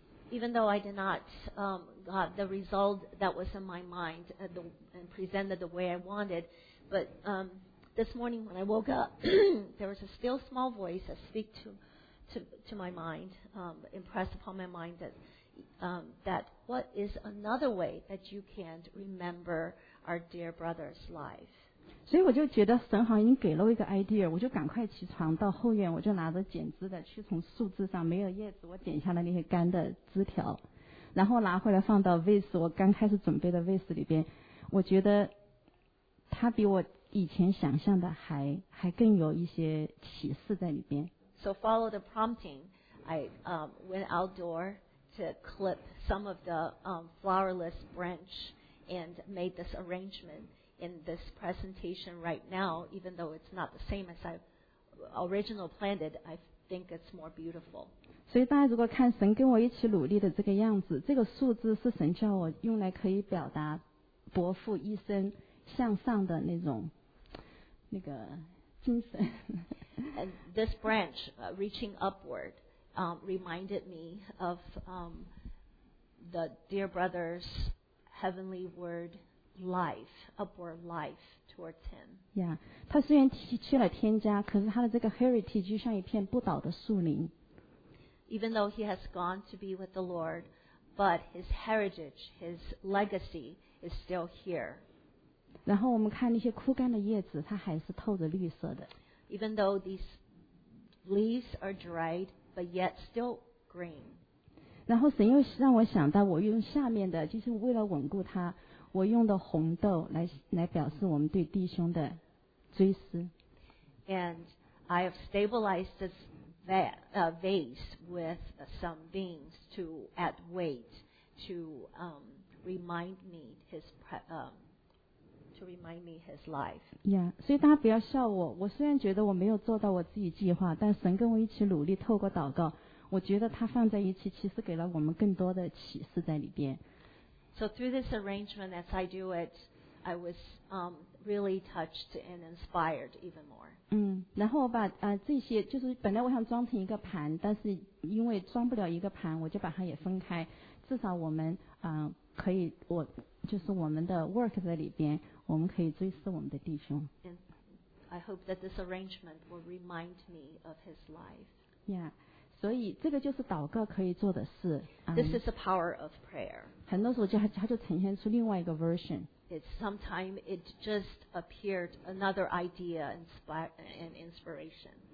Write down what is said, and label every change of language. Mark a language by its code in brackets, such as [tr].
[en] ？”Even though I did not got the result that was in my mind and presented the way I wanted, but this morning when I woke up, there was a still small voice that speak to my mind, impressed upon my mind that. That what is another way that you can remember our dear brother's life? [zh] 所以我就觉得神好像已经给了我一个 idea， 我就赶快起床到后院，我就拿着剪枝的去从树枝上没有叶子，我剪下了那些干的枝条，然后拿回来放到 vase 我刚开始准备的 vase 里边。我觉得它比我以前想象的还更有一些启示在里边。 [en] So follow the prompting, I went outdoor. To clip some of the flowerless branch and made this arrangement in this presentation right now, even though it's not the same as I originally planted, I think it's more beautiful. [zh] 所以大家如果看神跟我一起努力的这个样子，这个树枝是神叫我用来可以表达伯父一生向上的那种那个精神。 [en] And this branch reaching upward. Reminded me of the dear brother's heavenly word life, upward life towards him. [zh] Yeah, 他虽然去了天家，可是他的这个 heritage 就像一片不倒的树林。 [en] Even though he has gone to be with the Lord, but his heritage, his legacy is still here. [zh] 然后我们看那些枯干的叶子，它还是透着绿色的。 [en] Even though these leaves are dried. But yet still green. [zh] 然后神又让我想到，我用下面的，就是为了稳固它，我用的红豆来表示我们对弟兄的追思。 [en] And I have stabilized this vase with some beans to add weight to remind me his to remind me his life. [zh] Yeah, 所以大家不要笑我。我虽然觉得我没有做到我自己计划，但神跟我一起努力，透过祷告，我觉得他放在一起，其实给了我们更多的启示在里边。 [en] So through this arrangement, as I do it, I was really touched and inspired even more. [zh] 然后我把这些，就是本来我想装成一个盘，但是因为装不了一个盘，我就把它也分开。至少我们可以我。就是我们的 work 在里边，我们可以追思我们的弟兄。 [en] And I hope that this arrangement will remind me of his life. Yeah. [zh] 所以这个就是祷告可以做的事。 [en] This is the power of prayer. [zh] 很多时候它就呈现出另外一个 version。 [en] It's sometimes it just appeared another idea and inspiration.